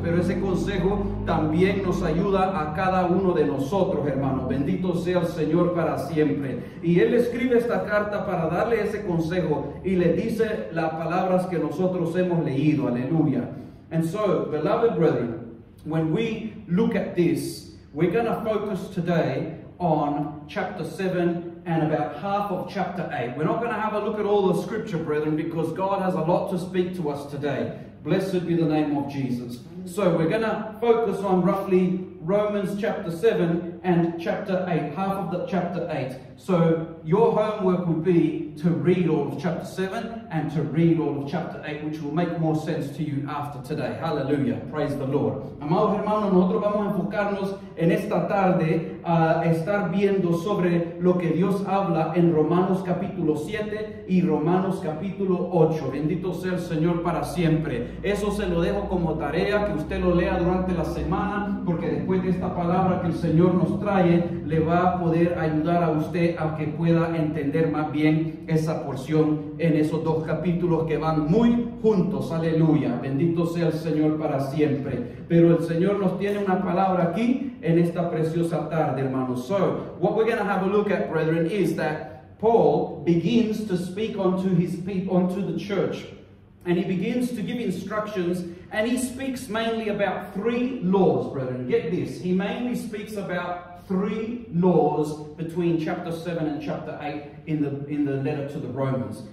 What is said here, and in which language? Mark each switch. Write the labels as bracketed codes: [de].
[es] Pero ese consejo también nos ayuda a cada uno de nosotros, hermanos. Bendito sea el Señor para siempre. Y él escribe esta carta para darle ese consejo y le dice las palabras que nosotros hemos leído. Aleluya. [en] And so, beloved brethren, when we look at this, we're going to focus today on chapter 7 and about half of chapter 8. We're not going to have a look at all the scripture, brethren, because God has a lot to speak to us today. Blessed be the name of Jesus. So we're going to focus on roughly Romans chapter 7 and chapter 8, half of the chapter 8. So your homework would be to read all of chapter 7 and to read all of chapter 8, which will make more sense to you after today. Hallelujah. Praise the Lord. [es] Amados hermanos, nosotros vamos a enfocarnos en esta tarde a estar viendo sobre lo que Dios habla en Romanos capítulo 7 y Romanos capítulo 8. Bendito sea el Señor para siempre. Eso se lo dejo como tarea, que usted lo lea durante la semana, porque después de esta palabra que el Señor nos nos trae le va a poder ayudar a usted a que pueda entender más bien esa porción en esos dos capítulos que van muy juntos. Aleluya, bendito sea el Señor para siempre. Pero el Señor nos tiene una palabra aquí en esta preciosa tarde, hermanos. [en] So, what we're going to have a look at, brethren, is that Paul begins to speak unto his people, unto the church. And he begins to give instructions, and he speaks mainly about three laws, brethren. Get this, he mainly speaks about three laws between chapter 7 and chapter 8 in the letter to the Romans.